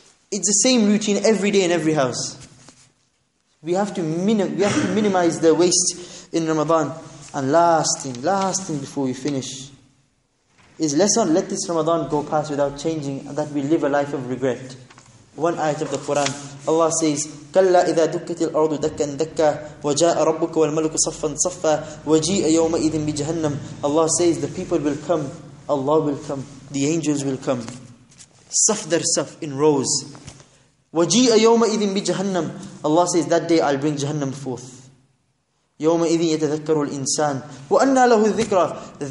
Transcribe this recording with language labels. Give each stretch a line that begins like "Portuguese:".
English: It's the same routine every day in every house. We have to minimize the waste in Ramadan. And last thing before we finish, is let's not let this Ramadan go past without changing, that we live a life of regret. One ayat of the Quran, Allah says,
Arabic: كَلَّا إِذَا دُكَّتِ الْأَرْضُ دَكَّاً دَكَّا وَجَاءَ رَبُّكَ وَالْمَلُكُ صَفًّا صَفًّا وَجِيءَ يَوْمَئِذٍ بِجَهَنَّمُ.
English: Allah says, the people will come, Allah will come, the angels will come, safdar saf, in rows.
Arabic: وَجِيءَ يَوْمَئِذٍ بِجَهَنَّمُ.
English: Allah says, that day I'll bring Jahannam forth.
Arabic: يَوْمَئِذٍ يَتَذَكَّرُ الْإِنسَانُ وَأَنَّا لَهُ الذِّكْرَى.